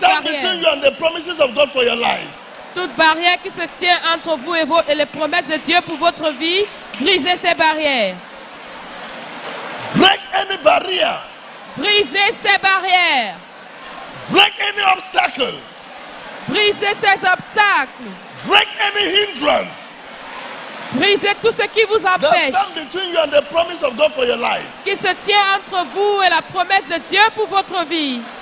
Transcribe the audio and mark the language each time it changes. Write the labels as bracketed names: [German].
[English] That stands between you and the promises of God for your life. [French] Toute barrière qui se tient entre vous et vos et les promesses de Dieu pour votre vie, brisez ces barrières. [English] Break any barrier. [French] Brisez ces barrières. [English] Break any obstacle. [French] Brisez ces obstacles. [English] Break any hindrance. [French] Brisez tout ce qui vous empêche. [English] That stands between you and the promise of God for your life. [French] Qui se tient entre vous et la promesse de Dieu pour votre vie.